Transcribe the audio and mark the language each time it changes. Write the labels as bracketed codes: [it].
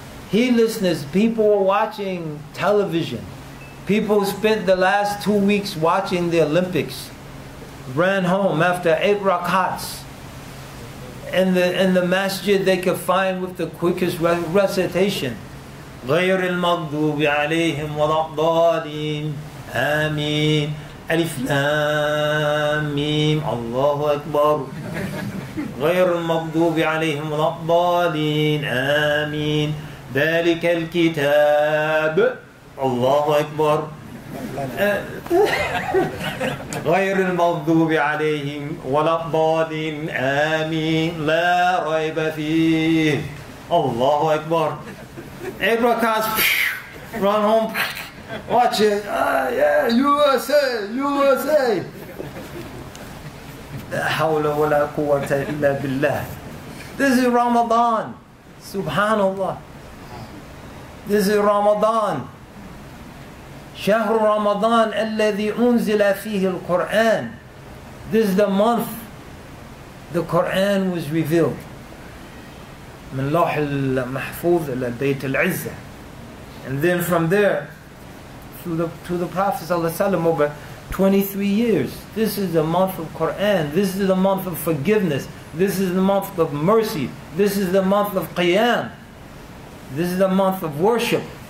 [en] Heedlessness, people are watching television. People spent the last 2 weeks watching the Olympics, ran home after 8 rakats in the masjid they could find with the quickest recitation. [ar] غير المغضوب عليهم ولا الضالين آمين ألف لام ميم الله أكبر غير المغضوب عليهم ولا الضالين آمين ذلك الكتاب الله أكبر غير المغضوب عليهم ولا الضالين آمين لا ريب فيه الله أكبر. [en] Abrakas, run home, watch it. Yeah, USA, USA. [ar] La hawla wa la quwwata illa billah. [en] This is Ramadan, [ar] subhanallah. [en] This is Ramadan. [ar] شهر رمضان الذي أنزل فيه القرآن. [en] This is the month the Quran was revealed. [ar] من لوح المحفوظ إلى بيت العزة. [en] And then from there to the Prophet ﷺ over 23 years. This is the month of Quran. This is the month of forgiveness. This is the month of mercy. This is the month of Qiyam. This is the month of worship.